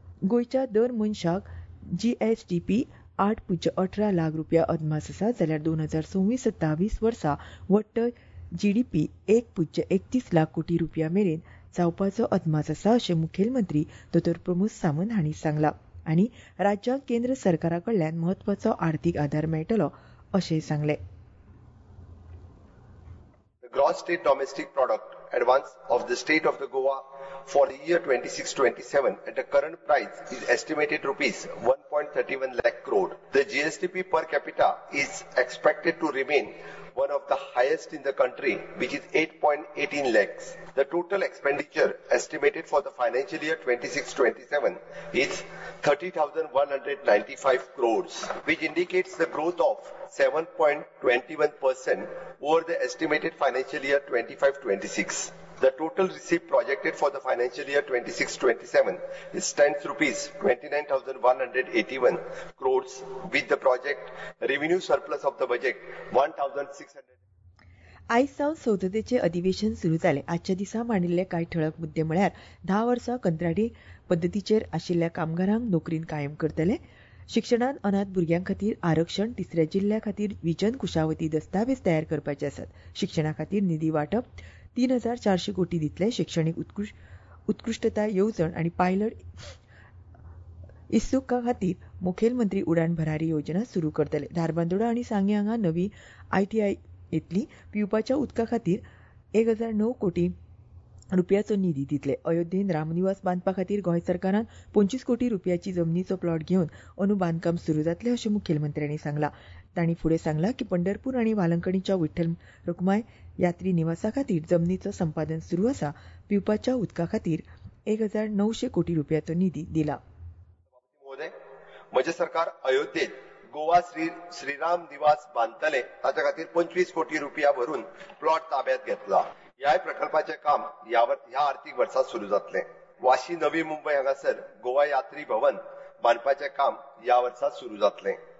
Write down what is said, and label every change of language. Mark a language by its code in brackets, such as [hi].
[gom] गोंयच्या दर मनशाक GSDP 8.18 लाख रुपया अदमास आसा, जाल्यार 2026-2027 वर्सा वट्ट GDP 1.31 लाख कोटी रुपया मेरेन जावपाचो अदमास आसा अशें मुखेलमंत्री दोतोर प्रमोद सावंत हांणी सांगला. आनी राज्यांक केंद्र सरकारा कडल्यान म्हत्वाचो आर्थिक आधार मेळटलो अशें सांगले. [en] Gross state domestic product advance of the state of the Goa for the year 26-27 at the current price is estimated ₹1.31 lakh crore. The GSDP per capita is expected to remain one of the highest in the country, which is 8.18 lakhs. The total expenditure estimated for the financial year 26-27 is 30,195 crores, which indicates the growth of 7.21% over the estimated financial year 25-26. The total receipt projected for the financial year 26-27 stands ₹29,181 crores, with the project revenue surplus of the budget 1,600. [mr] आज सावन संसदेचे अधिवेशन सुरू झाले. [gom] आजच्या दिसा मांडिल्ले काही ठळक मुद्दे म्हळ्यार 10 वर्सां कंत्राटी पद्दतीचेर आशिल्ल्या कामगारांक नोकरीन कायम करतले, शिक्षणात अनाथ भुरग्यां खातीर आरक्षण, तिसऱ्या जिल्ह्या खातीर विजन कुशावती दस्तावेज तयार करपाचे आसात, शिक्षणा खातीर निधी वाटप 3,400 कोटी दितले, शिक्षणीक उत्कृष्टता येवजण आनी पायलट इत्सुका खातीर मुखेलमंत्री उडाण भरारी योजना सुरू करतले, धारबांदोडा आनी सांगे हांगा नवी ITI येतली, पिवपाच्या उदका खातीर 1,009 कोटी रुपयाचो निधी दितले, अयोध्येत रामनिवास बांधपा खातीर गोंय सरकारान 25 कोटी रुपयाची जमनीचो प्लॉट घेवन अंदू बांदकाम सुरू जातले अशें मुखेलमंत्र्यांनी सांगला. तांणी फुडें सांगला की पंढरपूर आनी वालंकणीच्या विठ्ठल रुक्माय यात्री निवासा खातीर जमनीचो संपादन सुरू आसा, पिवपाच्या उदका खातीर 1,900 कोटी रुपयाचो निधी दिला. म्हजे सरकार अयोध्येत गोवा श्रीराम निवास बांधतले ताच्या खातीर 25 कोटी रुपया भरून प्लॉट ताब्यात घेतला. ह्या प्रकल्पाचे काम ह्या आर्थिक वर्सात सुरू जातले. वाशी नवी मुंबई हांगासर गोवा यात्री भवन बांधपाचे काम ह्या वर्सात सुरू जातले.